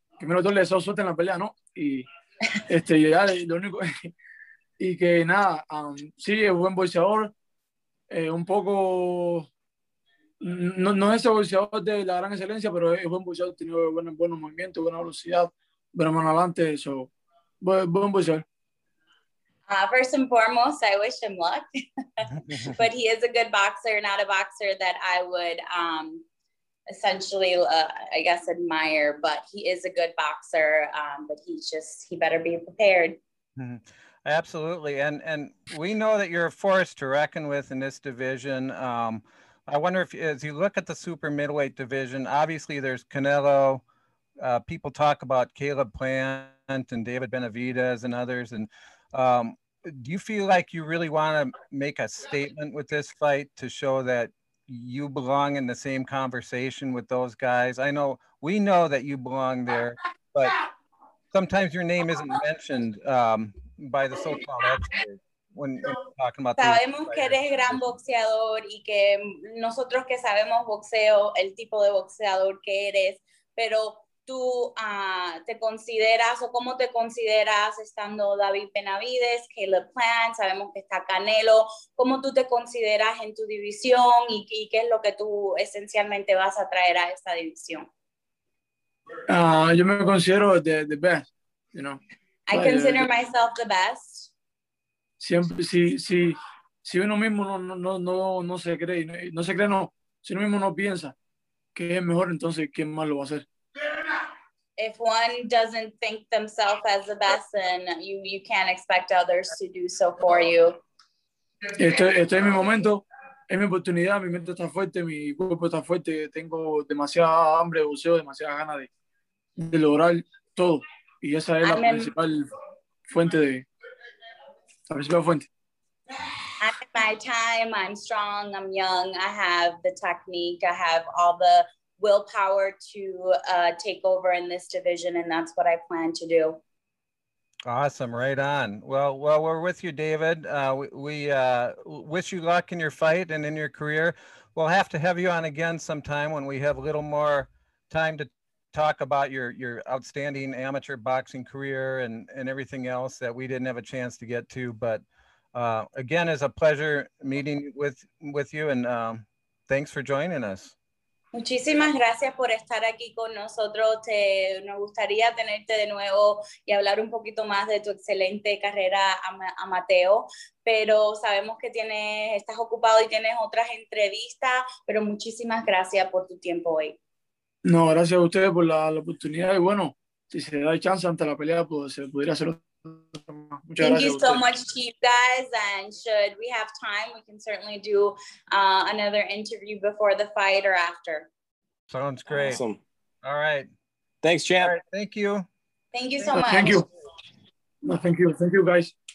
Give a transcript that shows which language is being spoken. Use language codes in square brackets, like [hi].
[es] Primero todo, le deseo suerte en la pelea, ¿no? Y ya, lo único. Y que nada, sí, es buen boxeador. Un poco. No es el boxeador de la gran excelencia, pero es buen boxeador. Tiene buenos movimientos, buena velocidad, buena mano adelante, eso. [en] First and foremost, I wish him luck, but he is a good boxer, not a boxer that I would admire, but he is a good boxer, but he better be prepared. Mm-hmm. Absolutely. And we know that you're a force to reckon with in this division. I wonder if, as you look at the super middleweight division, obviously there's Canelo, people talk about Caleb Plant, and David Benavidez and others. And do you feel like you really want to make a statement with this fight to show that you belong in the same conversation with those guys? I know we know that you belong there, but sometimes your name isn't mentioned by the so-called experts. [es] Sabemos que eres gran boxeador y que nosotros que sabemos boxeo, el tipo de boxeador que eres, pero tú te consideras o cómo te consideras estando David Benavides, Caleb Plant, sabemos que está Canelo, cómo tú te consideras en tu división y qué es lo que tú esencialmente vas a traer a esta división. Yo me considero [en] the best, you know. I consider myself the best. [es] Siempre si uno mismo no se cree, si uno mismo no piensa que es mejor, entonces quién más lo va a hacer. [en] If one doesn't think themselves as the best, then you can't expect others to do so for you. [es] Estoy en mi momento, es mi oportunidad, mi mente está fuerte, mi cuerpo está fuerte, tengo demasiada hambre, deseo, demasiada ganas de lograr todo. Y esa es la principal fuente. [en] I'm in my time, I'm strong, I'm young, I have the technique, I have all the willpower to take over in this division, and that's what I plan to do. Awesome, right on. Well, we're with you, David. We wish you luck in your fight and in your career. We'll have to have you on again sometime when we have a little more time to talk about your outstanding amateur boxing career and everything else that we didn't have a chance to get to. But again, it's a pleasure meeting with you, and thanks for joining us. [es] Muchísimas gracias por estar aquí con nosotros. Nos gustaría tenerte de nuevo y hablar un poquito más de tu excelente carrera amateur, pero sabemos que estás ocupado y tienes otras entrevistas, pero muchísimas gracias por tu tiempo hoy. No, gracias a ustedes por la oportunidad y bueno, si se da chance ante la pelea, pues se pudiera hacer otro. [en] Thank you so much, Chief, guys. And should we have time, we can certainly do another interview before the fight or after. Sounds great. Awesome. All right. Thanks, champ. All right. Thank you. Thank you so much. Thank you. No, thank you. Thank you, guys.